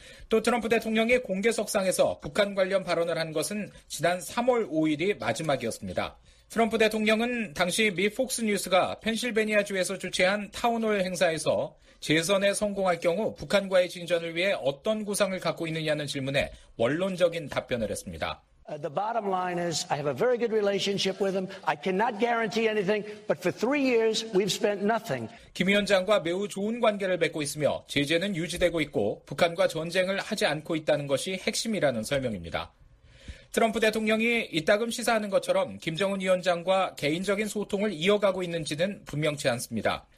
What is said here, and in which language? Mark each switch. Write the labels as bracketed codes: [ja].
[ko] 또 트럼프 대통령이 공개석상에서 북한 관련 발언을 한 것은 지난 3월 5일이 마지막이었습니다. 트럼프 대통령은 당시 미 폭스뉴스가 펜실베니아주에서 주최한 타운홀 행사에서 재선에 성공할 경우 북한과의 진전을 위해 어떤 구상을 갖고 있느냐는 질문에 원론적인 답변을 했습니다. [en] The bottom line is I have a very good relationship with him. I cannot guarantee anything, but for three years we've spent nothing. [ko] 김 위원장과 매우 좋은 관계를 맺고 있으며 제재는 유지되고 있고 북한과 전쟁을 하지 않고 있다는 것이 핵심이라는 설명입니다. 트럼프 대통령이 이따금 시사하는 것처럼 김정은 위원장과 개인적인 소통을 이어가고 있는지는 분명치 않습니다.